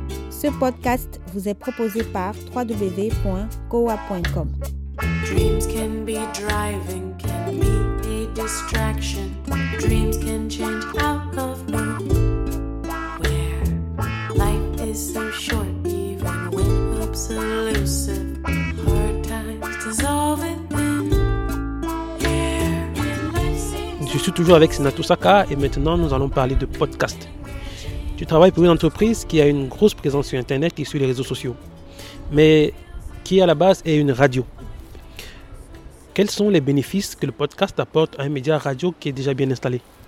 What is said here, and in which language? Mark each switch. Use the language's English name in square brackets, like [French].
[French] Ce podcast vous est proposé par www.koa.com. [English] Dreams can be driving, can be a distraction. Dreams can change out of nowhere. Life is so short, even when hope's elusive. Hard times dissolve in air. [French] Je suis toujours avec Sinatou Saka et maintenant nous allons parler de podcast. Tu travailles pour une entreprise qui a une grosse présence sur Internet et sur les réseaux sociaux, mais qui à la base est une radio. Quels sont les bénéfices que le podcast apporte à un média radio qui est déjà bien installé?